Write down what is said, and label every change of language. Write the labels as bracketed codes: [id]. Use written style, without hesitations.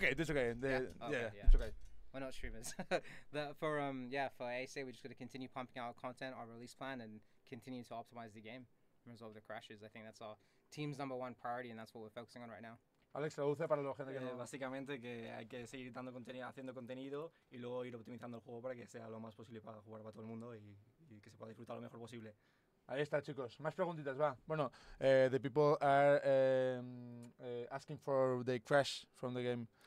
[en] We're not streamers. for ASA we just got to continue pumping out content, our release plan, and continue to optimize the game, resolve the crashes. I think that's our team's number one priority, and that's what we're focusing on right now. [es] Alex, traduce para la gente que no... Básicamente que hay que seguir dando contenido, haciendo contenido y luego ir optimizando el juego para que sea lo más posible para jugar para todo el mundo y que se pueda disfrutar lo mejor posible. Ahí está, chicos. Más preguntitas, va. [en] Bueno, the people are asking for the crash from the game.